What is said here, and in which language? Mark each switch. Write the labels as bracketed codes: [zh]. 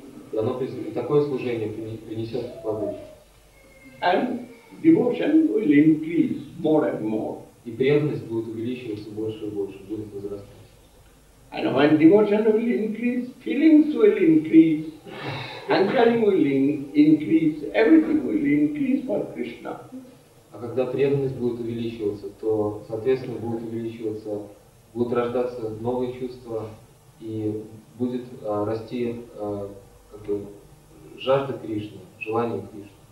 [ru] И оно, такое служение принесет плоды. [en] And devotion will increase more and more. [ru] И преданность будет увеличиваться больше и больше, будет возрастать. [en] And when devotion will increase, feelings will increase, hankering will increase, everything will increase for Krishna. [ru] А когда преданность будет увеличиваться, то, соответственно, будет увеличиваться, будут рождаться новые чувства и будет расти как бы жажда Кришны, желание Кришны.